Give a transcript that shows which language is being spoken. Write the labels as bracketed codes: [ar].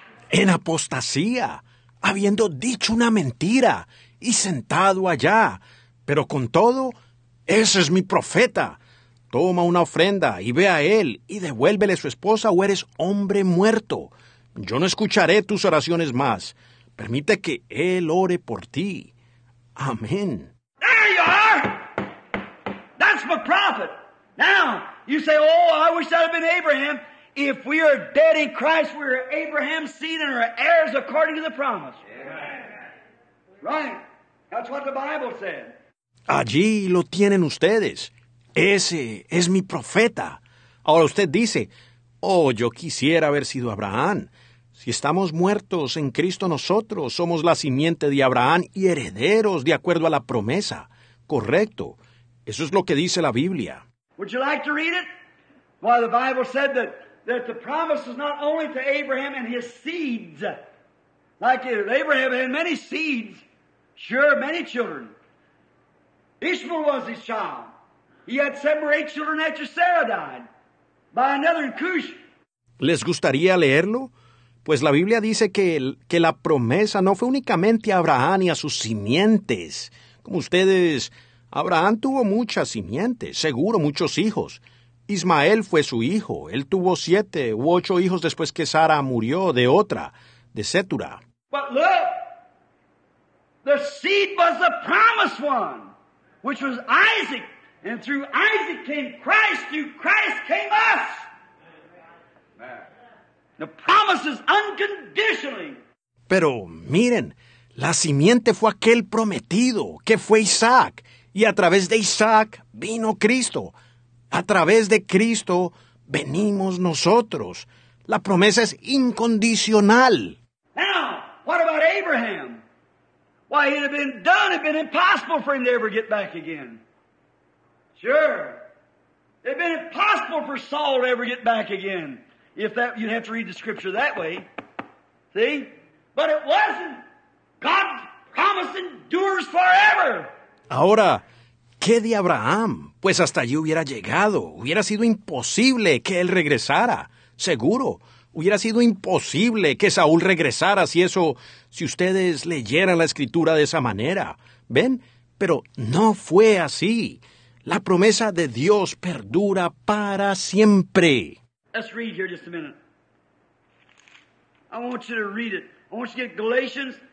[es] En apostasía, habiendo dicho una mentira y sentado allá, pero con todo, ese es mi profeta. Toma una ofrenda y ve a él y devuélvele su esposa o eres hombre muerto. Yo no escucharé tus oraciones más. Permite que él ore por ti. Amén. [en] There you are. That's my prophet. Now, you say, oh, I wish that had been Abraham. If we are dead in Christ, we are Abraham's seed and are heirs according to the promise. Yeah. Right. That's what the Bible said. [es] Allí lo tienen ustedes. Ese es mi profeta. Ahora usted dice, oh, yo quisiera haber sido Abraham. Si estamos muertos en Cristo nosotros, somos la simiente de Abraham y herederos de acuerdo a la promesa. Correcto. Eso es lo que dice la Biblia. [en] Would you like to read it? Well, the Bible said that the promise is not only to Abraham and his seeds. Like Abraham had many seeds. Sure, many children. Ishmael was his child. He had seven or eight children after Sarah died by another Cush. [es] ¿Les gustaría leerlo? Pues la Biblia dice que la promesa no fue únicamente a Abraham y a sus simientes. Como ustedes, Abraham tuvo muchas simientes, seguro muchos hijos. Ismael fue su hijo. Él tuvo 7 u 8 hijos después que Sara murió de otra, de Setura. [en] But look, the seed was the promised one, which was Isaac. And through Isaac came Christ, through Christ came us. The promise is unconditionally. [es] Pero miren, la simiente fue aquel prometido, que fue Isaac. Y a través de Isaac vino Cristo. A través de Cristo venimos nosotros. La promesa es incondicional. [en] Now, what about Abraham? Why, it had been done, it had been impossible for him to ever get back again. Sure. It had been impossible for Saul to ever get back again. If that, you'd have to read the scripture that way. See? But it wasn't. God's promise endures forever. [es] Ahora, ¿qué de Abraham? Pues hasta allí hubiera llegado. Hubiera sido imposible que él regresara. Seguro. Hubiera sido imposible que Saúl regresara si ustedes leyeran la Escritura de esa manera. ¿Ven? Pero no fue así. La promesa de Dios perdura para siempre. [en] Let's read here just a minute. I want you to read it. I want you to get Galatians